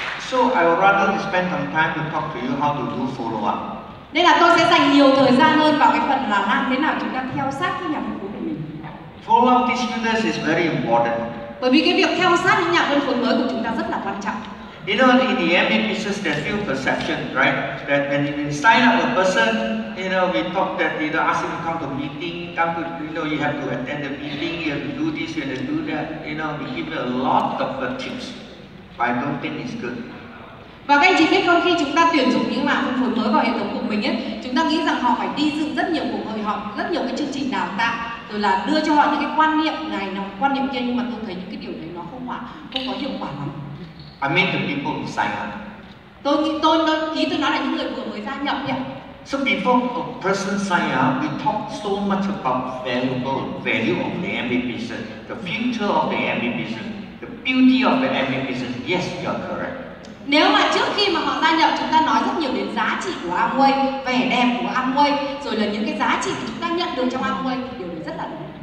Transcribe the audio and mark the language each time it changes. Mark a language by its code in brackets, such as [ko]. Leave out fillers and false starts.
[en] So I would rather spend some time to talk to you how to do follow up. [vi] Nên là tôi sẽ dành nhiều thời gian hơn vào cái phần là làm thế nào chúng ta theo sát cái nhà phân phối của mình. [en] Follow up these leaders is very important. [vi] Bởi vì cái việc theo sát những nhà phân phối mới của chúng ta rất là quan trọng. [en] You know, in the MA pieces, there's still perception, right? That when you sign up a person, you know, we talk that, you know, ask him to come to a meeting, come to, you know, you have to attend the meeting, you have to do this, you have to do that. You know, we give a lot of tips, but I don't think it's good. [vi] Và các anh chị biết không, khi chúng ta tuyển dụng những mạng phân phối mới vào hệ thống của mình ấy, chúng ta nghĩ rằng họ phải đi dự rất nhiều cuộc hội họp, rất nhiều cái chương trình đào tạo, rồi là đưa cho họ những cái quan niệm này, nào, quan niệm kia, nhưng mà tôi thấy những cái điều đấy nó không không có hiệu quả lắm. [en] I mean the people who sign up. [vi] Tôi nói là những người vừa mới gia nhập nhỉ. [en] So before a person sign up, we talk so much about value of the MBA business, the future of the MBA business, the beauty of the MBA business. Yes, you're correct. [vi] Nếu mà trước khi mà họ gia nhập, chúng ta nói rất nhiều đến giá trị của Amway, vẻ đẹp của Amway, rồi là những cái giá trị mà chúng ta nhận được trong Amway, thì điều này rất là đúng.